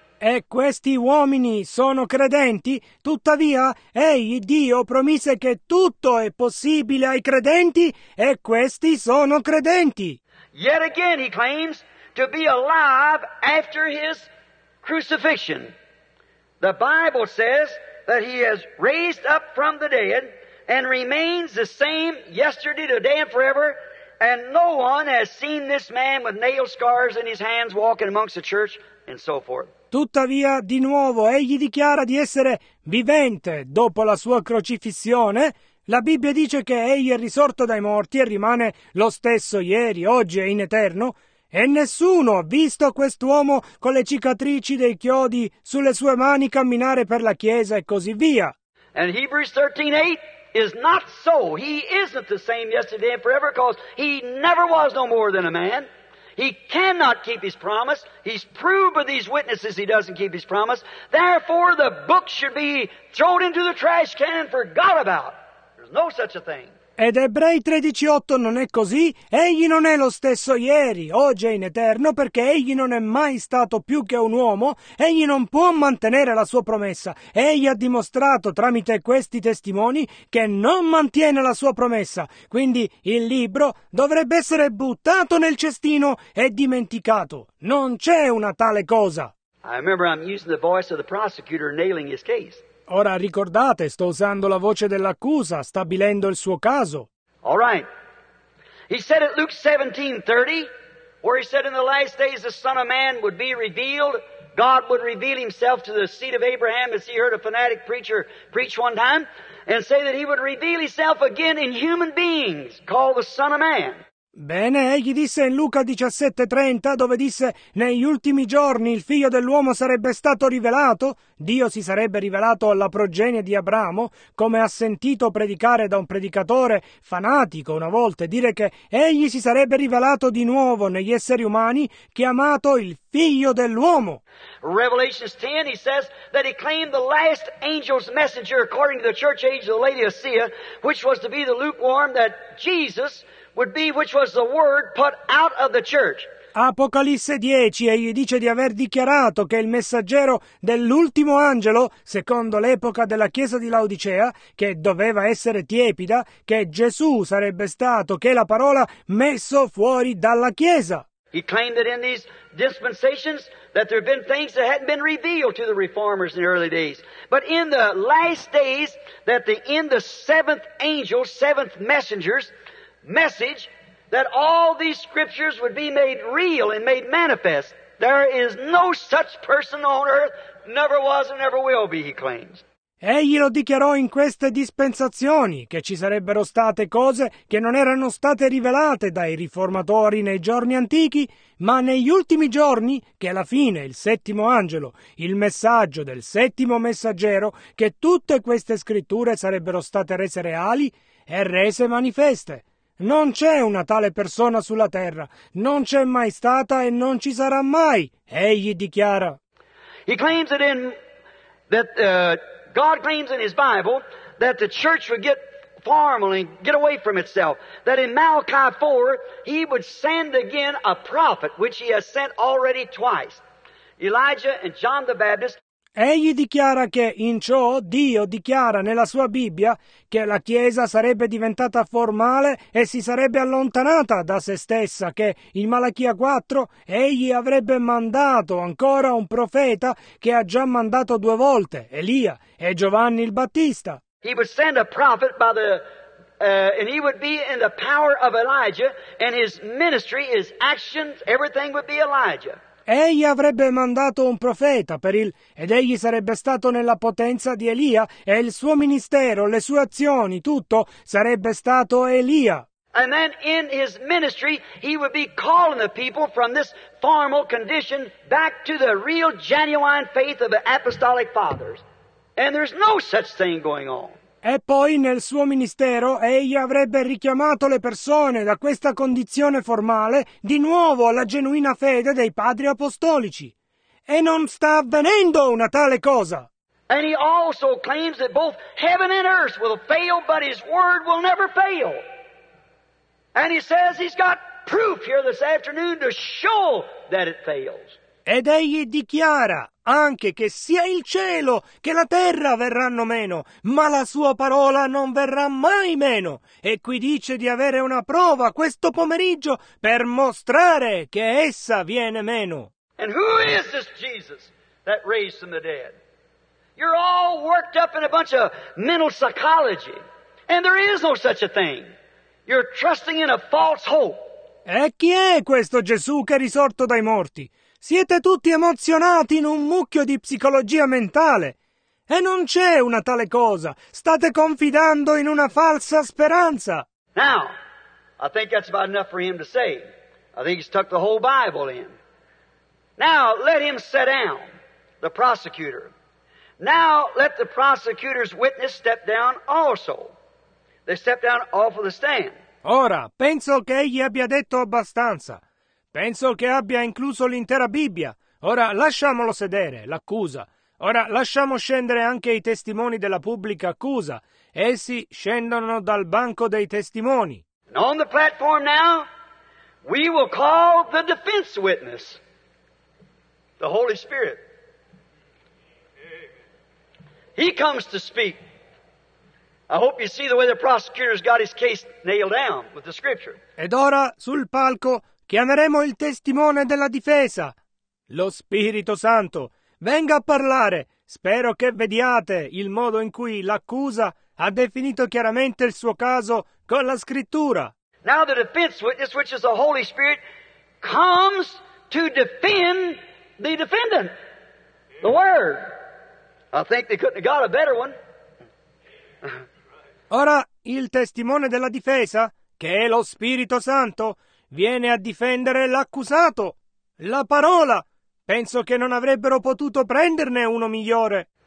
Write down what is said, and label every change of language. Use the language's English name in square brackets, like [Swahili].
[Italian] E questi uomini sono credenti, tuttavia egli, Dio, promise che tutto è possibile ai credenti, e questi sono credenti. [English] Yet again he claims to be alive after his crucifixion. The Bible says that he has raised up from the dead and remains the same yesterday, today, and forever, and no one has seen this man with nail scars in his hands walking amongst the church, and so forth. [Italian] Tuttavia, di nuovo, egli dichiara di essere vivente dopo la sua crocifissione. La Bibbia dice che egli è risorto dai morti e rimane lo stesso ieri, oggi e in eterno, e nessuno ha visto quest'uomo con le cicatrici dei chiodi sulle sue mani camminare per la chiesa e così via. [English] And Hebrews 13:8 is not so. He isn't the same yesterday and forever, because he never was no more than a man. He cannot keep his promise. He's proved by these witnesses he doesn't keep his promise. Therefore the book should be thrown into the trash can and forgot about. No such a thing. [Italian] Ed Ebrei 13:8 non è così. Egli non è lo stesso ieri, oggi e in eterno, perché egli non è mai stato più che un uomo. Egli non può mantenere la sua promessa. Egli ha dimostrato tramite questi testimoni che non mantiene la sua promessa. Quindi il libro dovrebbe essere buttato nel cestino e dimenticato. Non c'è una tale cosa. [English] I remember I'm using the voice of the prosecutor nailing his case. [Italian] Ora ricordate, sto usando la voce dell'accusa, stabilendo il suo caso. [English] All right. He said at Luke 17:30, where he said in the last days the Son of Man would be revealed, God would reveal himself to the seed of Abraham, as he heard a fanatic preacher preach one time, and say that he would reveal himself again in human beings, called the Son of Man. [Italian] Bene, egli disse in Luca 17:30, dove disse: negli ultimi giorni il figlio dell'uomo sarebbe stato rivelato, Dio si sarebbe rivelato alla progenie di Abramo, come ha sentito predicare da un predicatore fanatico una volta, e dire che egli si sarebbe rivelato di nuovo negli esseri umani, chiamato il figlio dell'uomo. [English] Revelation 10, he says that he claimed the last angel's messenger according to the church age of the Laodicea, which was to be the lukewarm, that Jesus would be, which was the word put out of the church. [Italian] Apocalisse 10, egli dice di aver dichiarato che il messaggero dell'ultimo angelo, secondo l'epoca della chiesa di Laodicea, che doveva essere tiepida, che Gesù sarebbe stato, che la parola messo fuori dalla chiesa. [English] He claimed that in these dispensations that there have been things that hadn't been revealed to the reformers in the early days. But in the last days, that in the seventh angel, seventh messengers, message that all these scriptures would be made real and made manifest. There is no such person on earth, never was and never will be, he claims. [Italian] Egli lo dichiarò in queste dispensazioni, che ci sarebbero state cose che non erano state rivelate dai riformatori nei giorni antichi, ma negli ultimi giorni, che alla fine il settimo angelo, il messaggio del settimo messaggero, che tutte queste scritture sarebbero state rese reali e rese manifeste. Non c'è una tale persona sulla terra, non c'è mai stata e non ci sarà mai, egli dichiara. [English] He claims that God claims in his Bible that the church would get formal and get away from itself, that in Malachi 4 he would send again a prophet, which he has sent already twice, Elijah and John the Baptist. [Italian] Egli dichiara che in ciò Dio dichiara nella sua Bibbia che la Chiesa sarebbe diventata formale e si sarebbe allontanata da se stessa, che in Malachia 4 egli avrebbe mandato ancora un profeta che ha già mandato due volte, Elia e Giovanni il Battista. [English] He would send a prophet by the and he would be in the power of Elijah, and his ministry, his actions, everything would be Elijah. [Italian] Egli avrebbe mandato un profeta per il, ed egli sarebbe stato nella potenza di Elia, e il suo ministero, le sue azioni, tutto sarebbe stato Elia. [English] And then in his ministry he would be calling the people from this formal condition back to the real genuine faith of the apostolic fathers. And there's no such thing going on. [Italian] E poi nel suo ministero egli avrebbe richiamato le persone da questa condizione formale di nuovo alla genuina fede dei padri apostolici. E non sta avvenendo una tale cosa. [English] And he also claims that both heaven and earth will fail, but his word will never fail. And he says he's got proof here this afternoon to show that it fails. [Italian] Ed egli dichiara anche che sia il cielo che la terra verranno meno, ma la sua parola non verrà mai meno. E qui dice di avere una prova questo pomeriggio per mostrare che essa viene meno. [English] And who is this Jesus that raised from the dead? You're all worked up in a bunch of mental psychology, and there is no such a thing. You're trusting in a false hope. [Italian] E chi è questo Gesù che è risorto dai morti? Siete tutti emozionati in un mucchio di psicologia mentale. E non c'è una tale cosa. State confidando in una falsa speranza. [English] Now, I think that's about enough for him to say. I think he's tucked the whole Bible in. Now, let him sit down, the prosecutor. Now, let the prosecutor's witness step down also. They step down off of the stand. [Italian] Ora, penso che egli abbia detto abbastanza. Penso che abbia incluso l'intera Bibbia. Ora lasciamolo sedere, l'accusa. Ora lasciamo scendere anche i testimoni della pubblica accusa. Essi scendono dal banco dei testimoni. [English] And on the platform now, we will call the defense witness, the Holy Spirit. He comes to speak. I hope you see the way the prosecutor's got his case nailed down with the scripture. [Italian] Ed ora sul palco chiameremo il testimone della difesa, lo Spirito Santo. Venga a parlare. Spero che vediate il modo in cui l'accusa ha definito chiaramente il suo caso con la Scrittura. [English] Now the defense witness, which is the Holy Spirit, comes to defend the defendant, the Word. I think they couldn't have got a better one. [Italian] Ora, il testimone della difesa, che è lo Spirito Santo, viene a difendere l'accusato. La parola! Penso che non avrebbero potuto prenderne uno migliore.